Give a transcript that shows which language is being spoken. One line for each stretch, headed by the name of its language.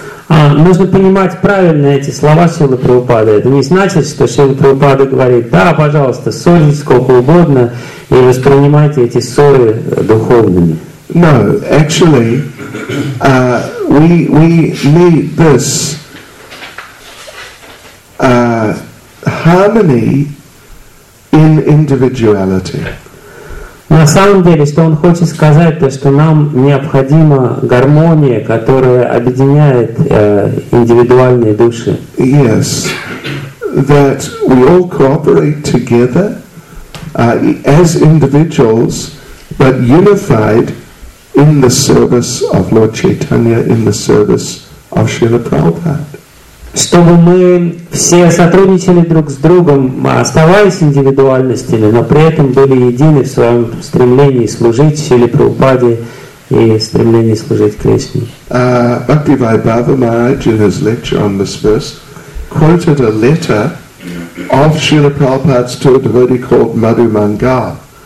Russian: Нужно понимать правильно эти слова Шрилы Прабхупады. Это не значит, что Шрила Прабхупада говорит, да, пожалуйста, ссорьтесь сколько угодно и воспринимайте эти ссоры духовными.
English: No, actually, we need this harmony in individuality.
Russian: На самом деле, что он хочет сказать, то, что нам необходима гармония, которая объединяет индивидуальные души.
English: Yes, that we all cooperate together as individuals, but unified in the service of Lord Chaitanya, in the service of Srila Prabhupada.
Russian: Чтобы мы все сотрудничали друг с другом, оставаясь индивидуальностями, но при этом были едины в своем стремлении служить Шриле Прабхупаде и стремлении служить Кришне.
English: Бхактивайбхава Махарадж in his lecture on this verse quoted a letter of Srila Prabhupada's to a devotee called Madhu Mangal.